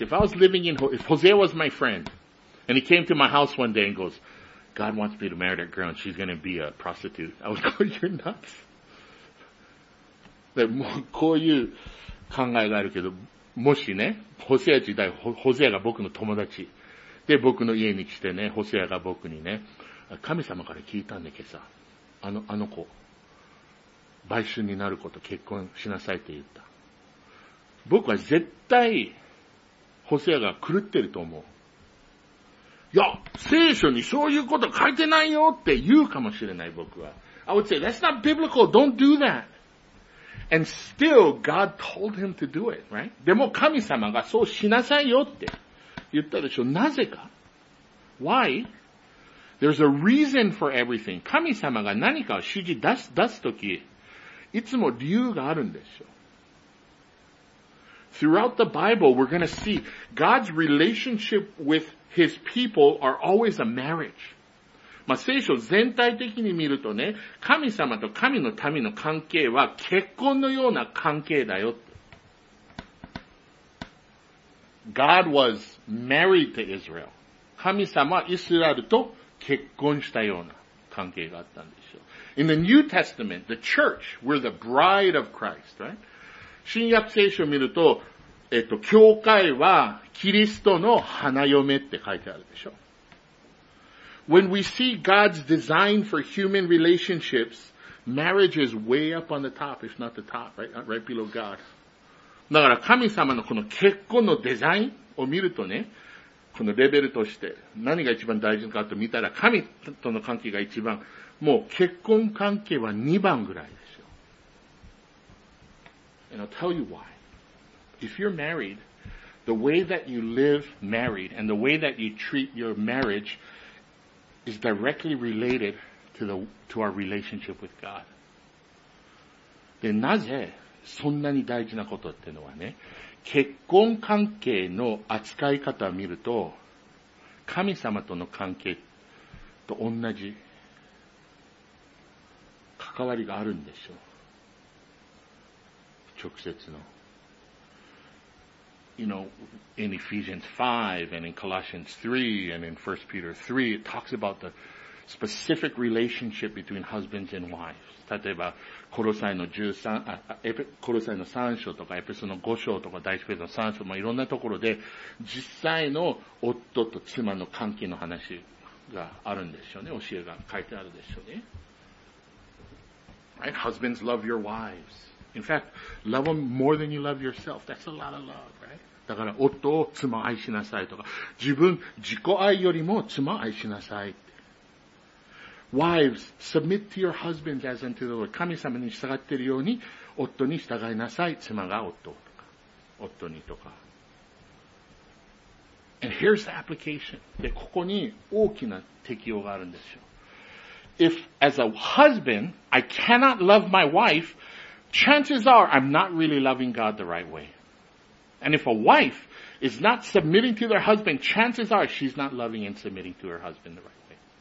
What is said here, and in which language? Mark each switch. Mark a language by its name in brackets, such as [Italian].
[English] If I was living in, if Hosea was my friend, and he came to my house one day and goes, God wants me to marry that girl and she's going to be a prostitute. I would go, you're nuts. [Japanese] でもこういう考えがあるけど、もしね、ホセア時代、ホセアが僕の友達で僕の家に来てね、ホセアが僕にね、神様から聞いたんで今朝。あの子、売春になること、結婚しなさいって言った。僕は絶対、ホセアが狂ってると思う。いや、聖書にそういうこと書いてないよって言うかもしれない僕は。 [English] I would say, that's not biblical, don't do that. And still, God told him to do it, right? [Japanese] でも神様がそうしなさいよって言ったでしょ。なぜか [English] ?Why? There's a reason for everything. [Japanese] 神様が何かを指示出すとき、いつも理由があるんですよ。 [English] Throughout the Bible, we're gonna see God's relationship with His people are always a marriage. [Japanese] まあ、聖書全体的に見るとね、神様と神の民の関係は結婚のような関係だよ。 [English] God was married to Israel. [Japanese] 神様はイスラエルと結婚したような関係があったんでしょう。 [English] In the New Testament, the church, we're the bride of Christ, right? [Japanese] 新約聖書を見ると、教会はキリストの花嫁って書いてあるでしょ。 [English] When we see God's design for human relationships, marriage is way up on the top, if not the top, right below God. [Japanese] だから神様のこの結婚のデザインを見るとね、このレベルとして何が一番大事かと見たら神との関係が一番、もう結婚関係は2番ぐらいですよ。 [English] And I'll tell you why. If you're married, the way that you live married and the way that you treat your marriage is directly related to our relationship with God. [Japanese] で、なぜそんなに大事なことっていうのはね、結婚関係の扱い方を見ると、神様との関係と同じ関わりがあるんでしょう。直接の。 [English] You know, in Ephesians 5 and in Colossians 3 and in 1 Peter 3, it talks about the specific relationship between husbands and wives. [Japanese] 例えば、コロサイの3章とか、エペソの5章とか、第1ペテロの3章、まあ、いろんなところで、実際の夫と妻の関係の話があるんでしょうね。教えが書いてあるでしょうね。 [English] Right? Husbands, love your wives. In fact, love them more than you love yourself. That's a lot of love, right? [Japanese] だから夫を妻を愛しなさいとか、自分自己愛よりも妻を愛しなさいって。 [English] Wives, submit to your husbands as unto the Lord. [Japanese] 神様に従っているように夫に従いなさい。妻が夫とか、夫にとか。 [English] And here's the application. [Japanese] で、ここに大きな適用があるんですよ。 [English] If as a husband, I cannot love my wife, chances are I'm not really loving God the right way. And if a wife is not submitting to their husband, chances are she's not loving and submitting to her husband the right way.